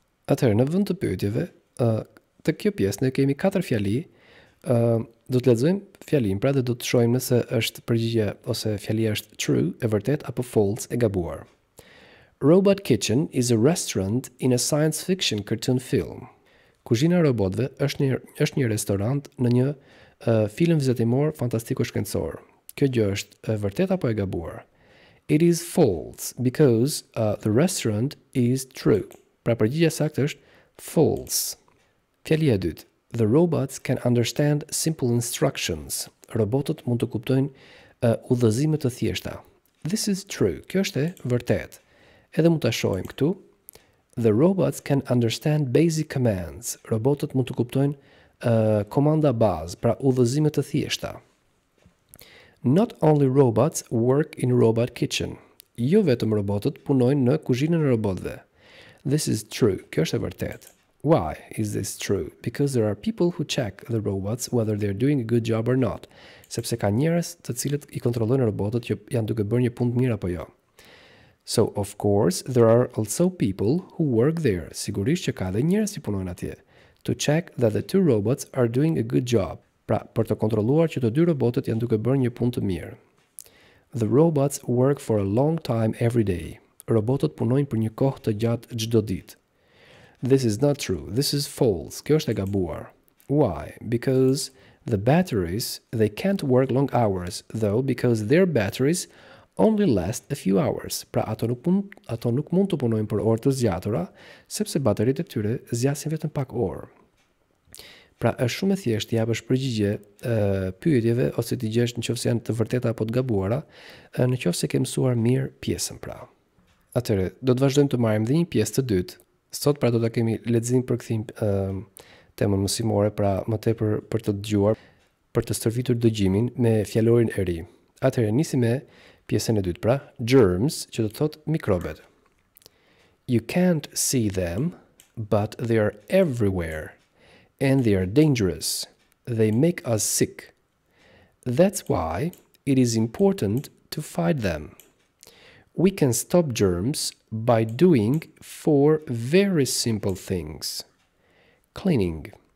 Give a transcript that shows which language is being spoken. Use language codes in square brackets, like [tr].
[sq] Atëherë, në vend të pyetjeve, të kjo pjesë ne kemi 4 fjali, do të lexojmë fjalin, pra dhe do të shohim nëse është përgjigje ose fjalia është true, e vërtet, apo false, e gabuar. [en] Robot Kitchen is a restaurant in a science fiction cartoon film. [sq] Kuzhina robotëve është një restorant në një film vizatimor fantastiko-shkencor. Kjo gjë është e vërtet apo e gabuar? [en] It is false, because the restaurant is true. [sq] Pra përgjigja saktë është false. Fjalia e dytë, [en] the robots can understand simple instructions. [sq] Robotët mund të kuptojnë udhëzime të thjeshta. [en] This is true, [sq] kjo është e vërtet. Edhe mund të shohim këtu, [en] the robots can understand basic commands. [sq] Robotët mund të kuptojnë komanda bazë, pra udhëzime të thjeshta. [en] Not only robots work in robot kitchen. [sq] Jo vetëm robotët punojnë në kuzhinën e robotëve. [en] This is true. [sq] Kjo është e vërtet. [en] Why is this true? Because there are people who check the robots whether they're doing a good job or not. [sq] Sepse ka njerëz të cilët i kontrollojnë robotët që janë duke bërë një punë mirë apo jo. [en] So, of course, there are also people who work there. [sq] Sigurisht që ka dhe njerëz që punojnë atje. [en] To check that the two robots are doing a good job. [sq] Pra, për të kontrolluar që të dy robotët janë duke bërë një punë të mirë. [en] The robots work for a long time every day. [sq] Robotët punojnë për një kohë të gjatë çdo ditë. [en] This is not true. This is false. [sq] Kjo është e gabuar. [en] Why? Because the batteries, they can't work long hours, though, because their batteries only last a few hours. [sq] Pra, ato nuk mund të punojnë për orë të zgjatura, sepse bateritë e tyre zgjasin vetëm pak orë. Pra, është shumë e thjeshtë japësh përgjigje pyetjeve ose të gjesh nëse janë të vërteta apo të gabuara, nëse ke mësuar mirë pjesën pra. Atëherë, do të vazhdojmë të marrim dhe një pjesë të dytë. Sot pra do ta kemi lexim për kthim temën mësimore, pra më tepër për të dëgjuar, për të stërvitur dëgjimin me fjalorin e ri. Atëherë nisim me pjesën e dytë, pra germs, që do thotë mikrobet. [en] You can't see them, but they are everywhere. And they are dangerous. They make us sick. That's why it is important to fight them. We can stop germs by doing 4 very simple things. Cleaning.